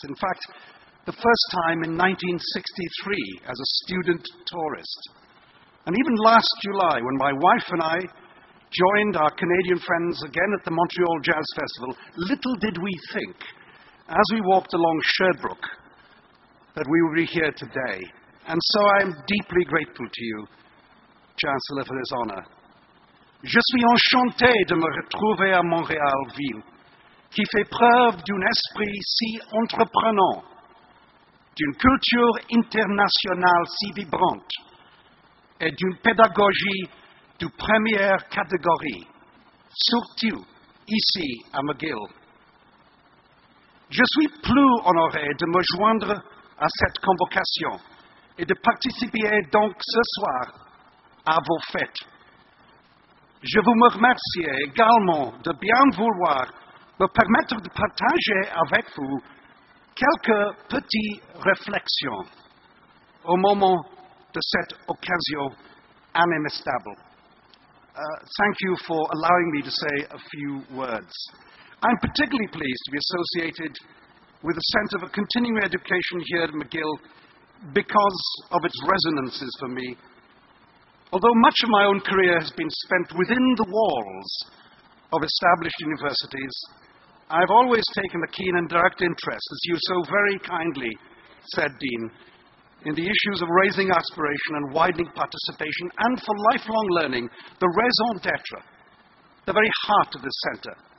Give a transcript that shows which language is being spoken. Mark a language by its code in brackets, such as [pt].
[en] In fact, the first time in 1963 as a student tourist. And even last July, when my wife and I joined our Canadian friends again at the Montreal Jazz Festival, little did we think, as we walked along Sherbrooke, that we would be here today. And so I am deeply grateful to you, Chancellor, for this honor. [fr] Je suis enchanté de me retrouver à Montréal, ville qui fait preuve d'un esprit si entreprenant, d'une culture internationale si vibrante et d'une pédagogie de première catégorie, surtout ici à McGill. Je suis plus honoré de me joindre à cette convocation et de participer donc ce soir à vos fêtes. Je vous remercie également de bien vouloir me permettre de partager avec vous quelques petites réflexions au moment de cette occasion inestimable. [en] Thank you for allowing me to say a few words. I'm particularly pleased to be associated with a sense of a continuing education here at McGill because of its resonances for me. Although much of my own career has been spent within the walls of established universities, I've always taken a keen and direct interest, as you so very kindly said, Dean, in the issues of raising aspiration and widening participation and for lifelong learning, the raison d'etre, the very heart of this center.